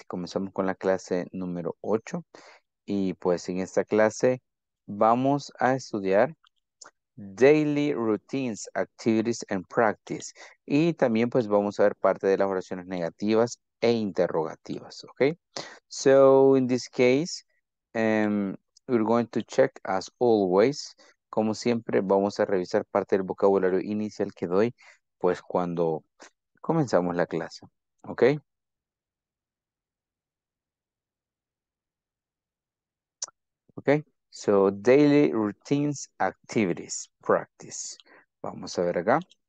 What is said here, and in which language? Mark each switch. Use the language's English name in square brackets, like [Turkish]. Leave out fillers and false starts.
[Spanish] Comenzamos con la clase número 8. Y pues en esta clase vamos a estudiar [English] daily routines, activities and practice. [Spanish] Y también pues vamos a ver parte de las oraciones negativas e interrogativas. [English] Okay, so in this case, we're going to check as always. [Spanish] Como siempre, vamos a revisar parte del vocabulario inicial que doy, pues cuando comenzamos la clase. ¿Ok? [English] Ok. So, daily routines, activities, practice. [Spanish] Vamos a ver acá.